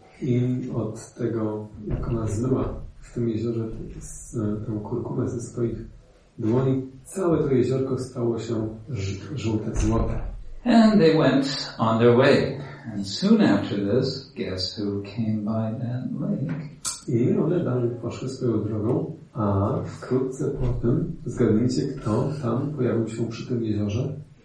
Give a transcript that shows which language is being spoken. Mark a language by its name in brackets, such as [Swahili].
[Polish] I od tego, jak ona zmyła w tym jeziorze tę kurkumę ze swoich dłoni, całe to jeziorko stało się żółte, złote. [English] And they went on their way. And soon after this, guess who came by that lake? [Polish] I one dalej poszły swoją drogą. A wkrótce po tym, zgadnijcie, kto tam pojawił się przy tym jeziorze?